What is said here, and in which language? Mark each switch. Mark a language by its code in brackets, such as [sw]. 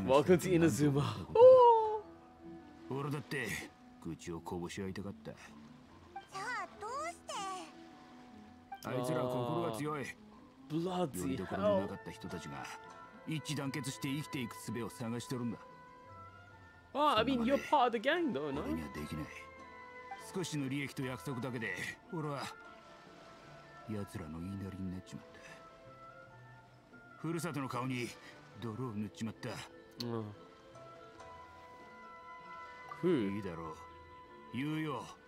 [ja] ましょう。 [en] Welcome to Inazuma. [ja] 俺だって愚痴をこぼし合いたかった。じゃあどうして？あいつら心が強い。 [en] Bloody hell. [ja] よりどころのなかった人たちが。一致団結して生きていく術を探してるんだ。 [en] Well, I mean, you're part of the gang, though, no? [ja] 俺にはできない。少しの利益と約束だけで、俺は奴らの言いなりになっちまった。ふるさとの顔に泥を塗っちまった。ふう。いいだろう。言うよ。